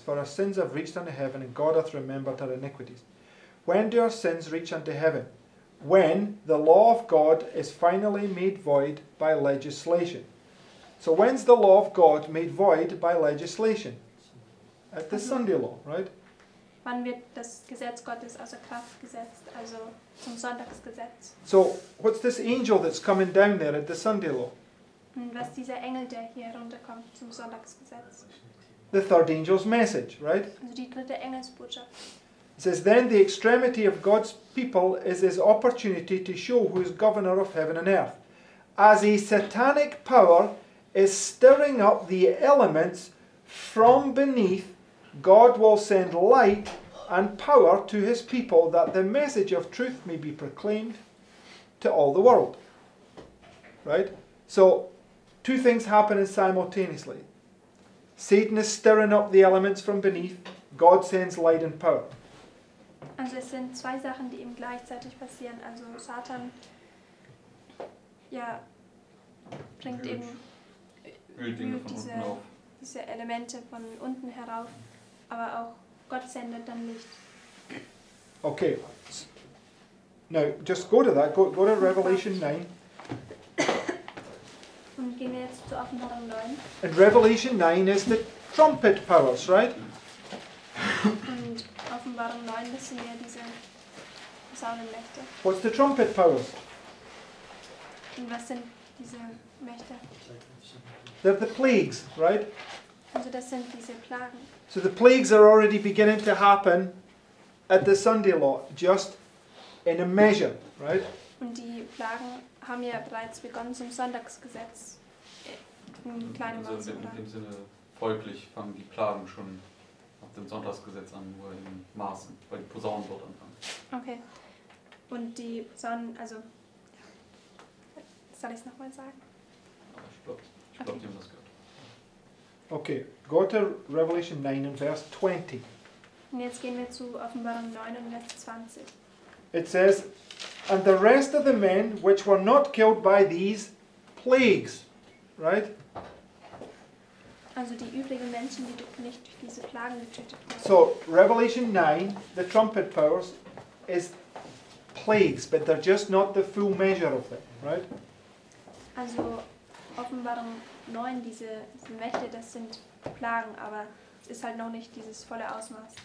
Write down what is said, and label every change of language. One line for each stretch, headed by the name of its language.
English: For her sins have reached unto heaven, and God hath remembered her iniquities. When do her sins reach unto heaven? When the law of God is finally made void by legislation. So when's the law of God made void by legislation? At the Sunday law, right?
German: Wann wird das Gesetz Gottes außer Kraft gesetzt, also zum Sonntagsgesetz?
English: So, what's this angel that's coming down there at the Sunday law?
German: Und was ist dieser Engel, der hier runterkommt zum Sonntagsgesetz?
English: The third angel's message, right?
German: Also die dritte Engelsbotschaft.
English: It says, then the extremity of God's people is his opportunity to show who is governor of heaven and earth. As a satanic power is stirring up the elements from beneath, God will send light and power to his people that the message of truth may be proclaimed to all the world. Right? So, two things happening simultaneously. Satan is stirring up the elements from beneath. God sends light and power.
German: Also es sind zwei Sachen, die eben gleichzeitig passieren. Also Satan, ja, bringt eben diese Elemente von unten herauf. Aber auch Gott sendet dann Licht.
English: Okay. Now, just go to that. Go to Revelation 9.
German: Und gehen wir jetzt zu Offenbarung 9.
English: And Revelation 9 is the trumpet powers, right?
German: Und Offenbarung 9, das sind ja diese Posaunenmächte.
English: What's the trumpet powers?
German: Und was sind diese Mächte?
English: They're the plagues, right?
German: Also das sind diese Plagen.
English: So the plagues are already beginning to happen at the Sunday law, just in a measure, right?
German: Und die Plagen haben ja bereits begonnen zum Sonntagsgesetz, in kleinem Maße. Also in dem Sinne, folglich fangen die Plagen schon ab dem Sonntagsgesetz an, nur in Maßen, weil die Posaunen dort anfangen.
English: Okay.
German: Und die Posaunen, also, soll ich es nochmal sagen? Ich glaube, okay. Die haben das gehört.
English: Okay, go to Revelation 9 and verse 20.
German: Und jetzt gehen wir zu Offenbarung 9 und Vers 20.
English: It says, and the rest of the men which were not killed by these plagues, right?
German: Also die übrigen Menschen, die nicht durch diese Plagen getötet wurden.
English: So, Revelation 9, the trumpet powers, is plagues, but they're just not the full measure of them, right?
German: Also Offenbarung 9, diese Mächte, das sind Plagen, aber es ist halt noch nicht dieses volle Ausmaß.